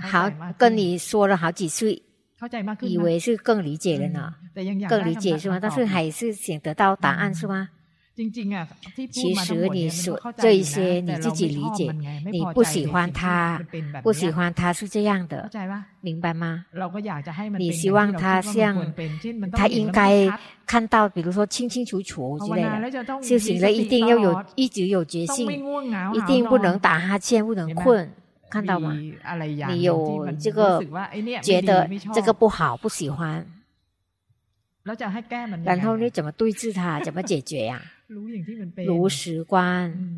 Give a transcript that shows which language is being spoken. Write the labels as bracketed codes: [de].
[th] ข้าใจมากขึ้น [zh] 跟你说了好几次 [th] เข้าใจมากขึ้น [zh] 以为是更理解了呢 [th] แต่ยังอยาก ได้ [zh] 更理解是吗但是还是想得到答案是吗 [th] จริงๆอ่ะที่ พูดมาทั้งหมดเนี่ยเข้าใจนะแต่เราไม่ชอบมันไงไม่พอใจที่มันเป็นแบบนี้ เข้าใจ ป่ะ [zh] 明白吗 [th] เราก็อยากจะให้มัน เป็นที่เราควรเป็นเช่นมันต้องมีความชัด [zh] 看到比如说清清楚楚之类的修行了一定要有一直有决心一定不能打哈欠不能困看到吗你有这个觉得这个不好不喜欢然后你怎么对治它怎么解决呀如实观